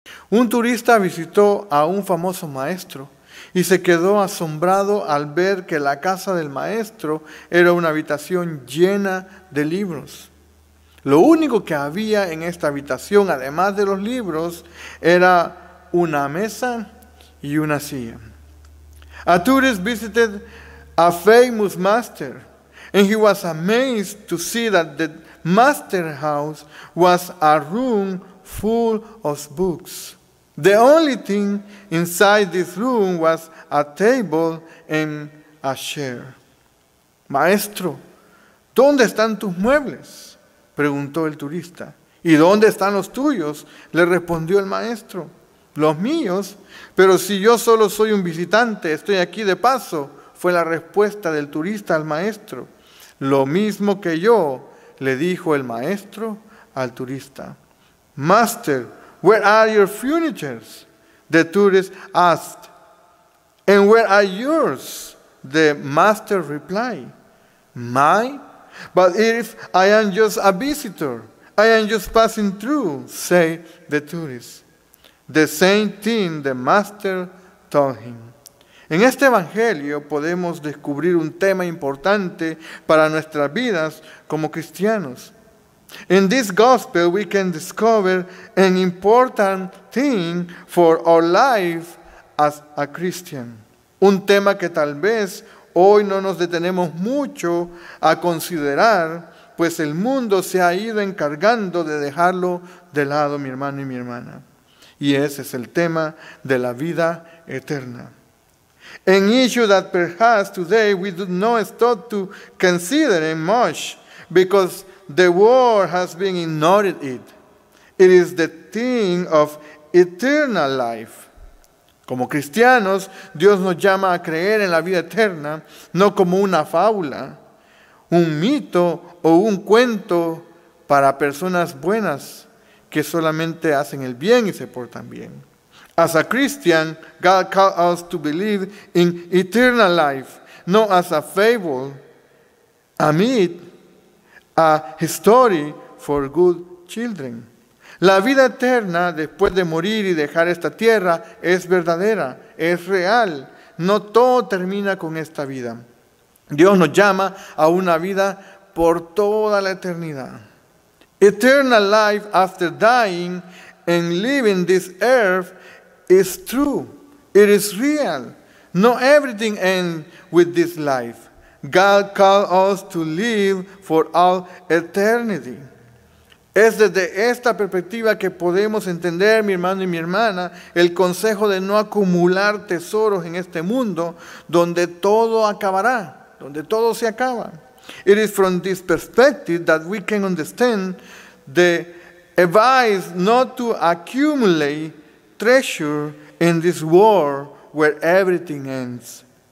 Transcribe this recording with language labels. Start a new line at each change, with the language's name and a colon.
Spanish: Un turista visitó a un famoso maestro y se quedó asombrado al ver que la casa del maestro era una habitación llena de libros. Lo único que había en esta habitación, además de los libros, era una mesa y una silla.
English: A tourist visited a famous master, and he was amazed to see that the master house was a room full of books. The only thing inside this room was a table and a chair.
Spanish: Maestro, ¿dónde están tus muebles? Preguntó el turista. ¿Y dónde están los tuyos? Le respondió el maestro. Los míos, pero si yo solo soy un visitante, estoy aquí de paso, fue la respuesta del turista al maestro. Lo mismo que yo, le dijo el maestro al turista.
English: Master, where are your furnitures? The tourist asked. And where are yours? The master replied. Mine? But if I am just a visitor, I am just passing through, said the tourist. The same thing the master told him.
Spanish: En este evangelio podemos descubrir un tema importante para nuestras vidas como cristianos.
English: In this gospel we can discover an important thing for our life as a Christian.
Spanish: Un tema que tal vez hoy no nos detenemos mucho a considerar, pues el mundo se ha ido encargando de dejarlo de lado, mi hermano y mi hermana. Y ese es el tema de la vida eterna.
English: An issue that perhaps today we do not stop to consider much because the world has been ignored it. It is the thing of eternal life.
Spanish: Como cristianos, Dios nos llama a creer en la vida eterna, no como una fábula, un mito o un cuento para personas buenas que solamente hacen el bien y se portan bien.
English: As a Christian, God called us to believe in eternal life, not as a fable, a myth, a story for good children.
Spanish: La vida eterna, después de morir y dejar esta tierra, es verdadera, es real. No todo termina con esta vida. Dios nos llama a una vida por toda la eternidad.
English: Eternal life after dying and leaving this earth is true. It is real. Not everything ends with this life. God called us to live for all eternity.
Spanish: Es desde esta perspectiva que podemos entender, mi hermano y mi hermana, el consejo de no acumular tesoros en este mundo donde todo acabará, donde todo se acaba.
English: It is from this perspective that we can understand the advice not to accumulate treasure in this world where everything ends.